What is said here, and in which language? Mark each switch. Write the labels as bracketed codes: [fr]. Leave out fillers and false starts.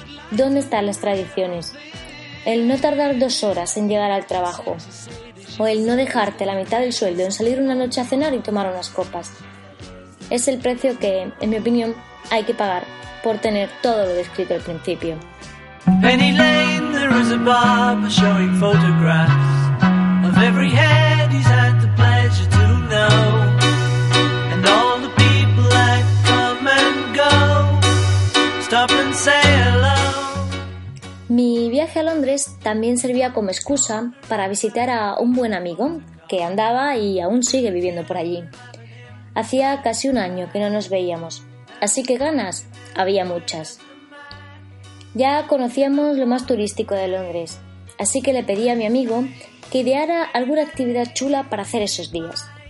[es] ¿Dónde están las tradiciones? El no tardar 2 horas en llegar al trabajo. O el no dejarte la mitad del sueldo en salir una noche a cenar y tomar unas copas. Es el precio que, en mi opinión, hay que pagar por tener todo lo descrito al principio. [en] Penny Lane, there is a barber showing photographs of every head he's had the pleasure to know. And all the people that come and go, stop and say hello. [es] Mi viaje a Londres también servía como excusa para visitar a un buen amigo que andaba y aún sigue viviendo por allí. Hacía casi un año que no nos veíamos, así que ganas había muchas. Ya conocíamos lo más turístico de Londres, así que le pedí a mi amigo que ideara alguna actividad chula para hacer esos días.